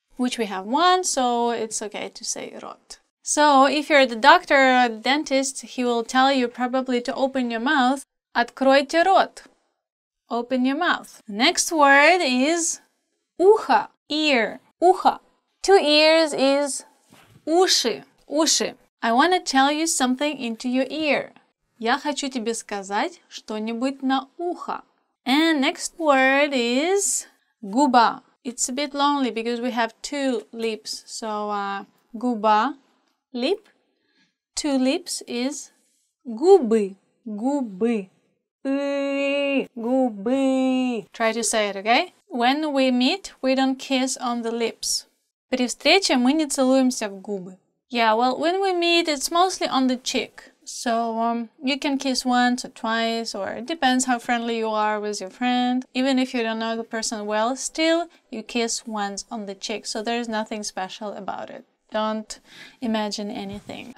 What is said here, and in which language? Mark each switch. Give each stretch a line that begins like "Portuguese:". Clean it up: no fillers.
English: Which we have one, so it's okay to say рот. So, if you're the doctor or the dentist, he will tell you probably to open your mouth.
Russian: Откройте рот.
English: Open your mouth. Next word is ухо. Ear. Ухо. Two ears is уши. Уши. I want to tell you something into your ear.
Russian: Я хочу тебе сказать что-нибудь на ухо.
English: And next word is губа. It's a bit lonely because we have two lips. So, губа. Lip, two lips is
Russian: губы, губы, губы.
English: Try to say it, okay? When we meet, we don't kiss on the lips.
Russian: При встрече мы не целуемся в губы.
English: Yeah, well, when we meet, it's mostly on the cheek. So you can kiss once or twice, or it depends how friendly you are with your friend. Even if you don't know the person well, still you kiss once on the cheek. So there's nothing special about it. Don't imagine anything.